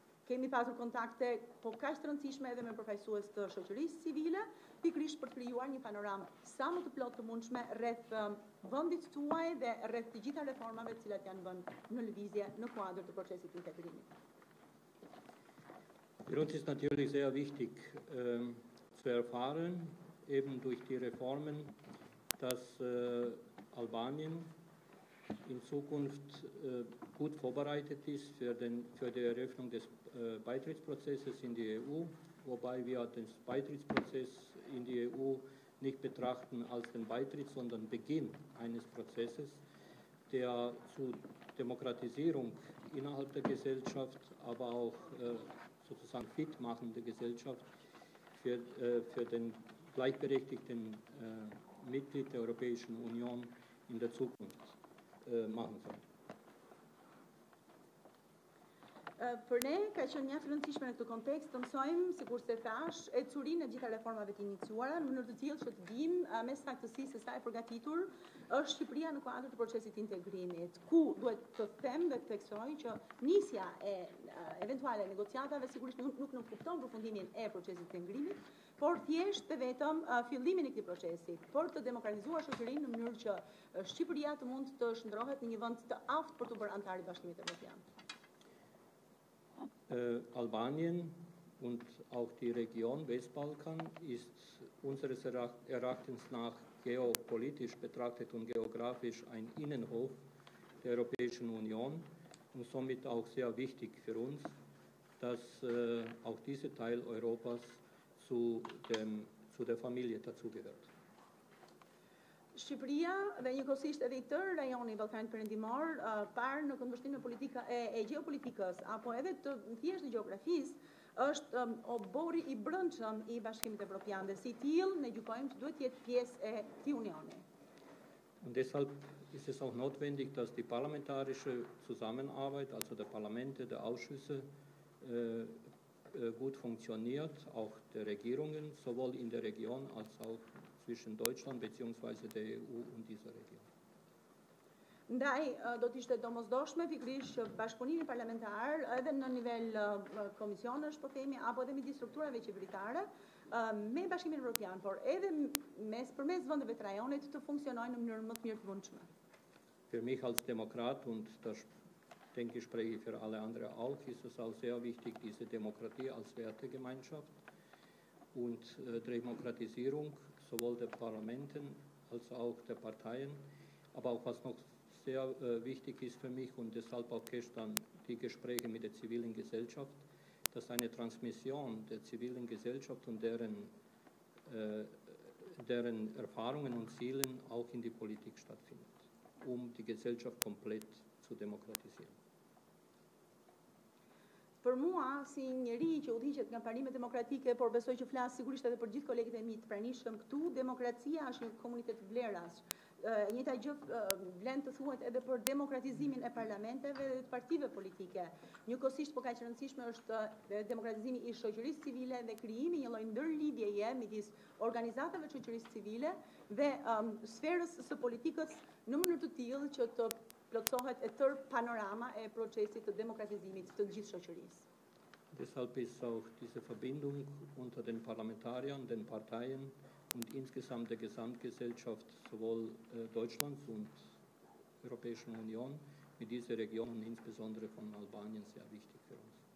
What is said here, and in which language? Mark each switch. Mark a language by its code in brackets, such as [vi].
[sq] Kemi pasur kontakte po kaq të rëndësishme edhe me profesorët të shoqërisë civile, pikërisht për të krijuar një panoramë sa më të plotë të mundshme rreth vendit tuaj dhe rreth të gjitha reformave të cilat janë bënë në lëvizje në kuadër të procesit të integrimit. [de] Für uns ist natürlich sehr wichtig zu erfahren, eben durch die Reformen, dass Albanien in Zukunft gut vorbereitet ist für die Eröffnung des Beitrittsprozesses in die EU, wobei wir den Beitrittsprozess in die EU nicht betrachten als den Beitritt, sondern Beginn eines Prozesses, der zur Demokratisierung innerhalb der Gesellschaft, aber auch sozusagen fit machende Gesellschaft für den gleichberechtigten Mitglied der Europäischen Union in der Zukunft machen soll. [sq] Për ne, ka qenë mjaft rëndësishme në këtë kontekst të mësojmë, sikurse thash, ecurinë e gjitha reformave të iniciuara, në mënyrë të tillë që të dimë me saktësi se sa e përgatitur është Shqipëria në kuadrin të procesit të integrimit, ku duhet të them dhe të theksoj që nisja e eventuale negociatave sigurisht nuk nënkupton përfundimin e procesit të integrimit, por thjesht të vetëm fillimin e këtij procesi, por të demokratizuar shoqërinë në mënyrë që Shqipëria të mund të shndërrohet në një vend të aftë për të bërë anëtar i Bashkimit Evropian. [de] Albanien und auch die Region Westbalkan ist unseres Erachtens nach geopolitisch betrachtet und geografisch ein Innenhof der Europäischen Union und somit auch sehr wichtig für uns, dass auch dieser Teil Europas zu der Familie dazugehört. [sq] Shqipëria dhe njëkohësisht edhe i tërë rajoni i Ballkanit Perëndimor, parë në kundërshtim me politika e gjeopolitikës apo edhe të thjesht në gjeografisë, është obori i brendshëm i Bashkimit Evropian dhe si till ne gjykojmë se duhet të jetë pjesë e këtij unioni. [de] Und deshalb ist es auch notwendig, dass die parlamentarische Zusammenarbeit, also der Parlamente, der Ausschüsse gut funktioniert, auch der Regierungen, sowohl in der Region als auch zwischen Deutschland bzw. der EU und dieser Region. [sq] Ndaj do të ishte domosdoshme pikërisht që bashkëpunimi parlamentar edhe në nivel komisionesh po themi apo edhe midis strukturave qeveritare me Bashkimin Evropian, por edhe mes përmes vendeve të rajonit të funksionojnë në mënyrë më të mirë të mundshme. [de] Für mich als Demokrat und das denke ich spreche für alle andere auch, ist es auch sehr wichtig, diese Demokratie als Wertegemeinschaft und Demokratisierung sowohl der Parlamente als auch der Parteien. Aber auch was noch sehr wichtig ist für mich und deshalb auch gestern die Gespräche mit der zivilen Gesellschaft, dass eine Transmission der zivilen Gesellschaft und deren Erfahrungen und Zielen auch in die Politik stattfindet, um die Gesellschaft komplett zu demokratisieren. [sq] Për mua, si njëri që udhëhiqet nga pranimet demokratike, por besoj që flas sigurisht edhe për gjithë kolegët e mi të pranishëm këtu, demokracia është një komunitet vlerash. Njëta gjë vlen të thuhet edhe për demokratizimin e parlamenteve dhe të partive politike. Njëkohësisht po kaq rëndësishme është demokratizimi i shoqërisë civile dhe krijimi një lloj ndërlidhjeje midis organizatave shoqërisë civile dhe sferës së politikës në mënyrë të tillë që të plotësohet e tërë panorama e procesit të demokratizimit të gjithë shoqërisë. [de] Deshalb ist auch diese Verbindung unter den Parlamentariern, den Parteien und insgesamt der Gesamtgesellschaft sowohl Deutschlands und Europäischen Union mit dieser Region und insbesondere von Albanien sehr wichtig für uns.